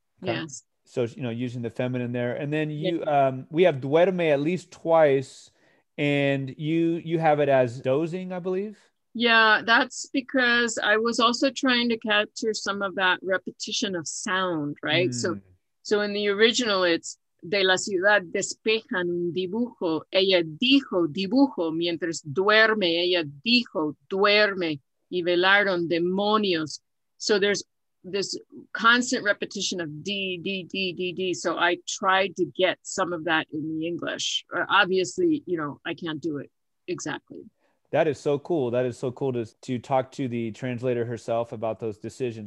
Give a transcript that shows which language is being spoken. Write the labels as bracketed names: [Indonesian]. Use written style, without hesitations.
[English] Okay. Yes. So, you know, using the feminine there. And then you, we have duerme at least twice, and you have it as dozing, I believe. Yeah, that's because I was also trying to capture some of that repetition of sound, right? Mm. So in the original, it's [Spanish] de la ciudad despejan un dibujo. Ella dijo dibujo mientras duerme. Ella dijo duerme. Y velaron demonios. [English] So there's this constant repetition of D, D, D, D, D. So I tried to get some of that in the English. Obviously, you know, I can't do it exactly. That is so cool. That is so cool to talk to the translator herself about those decisions.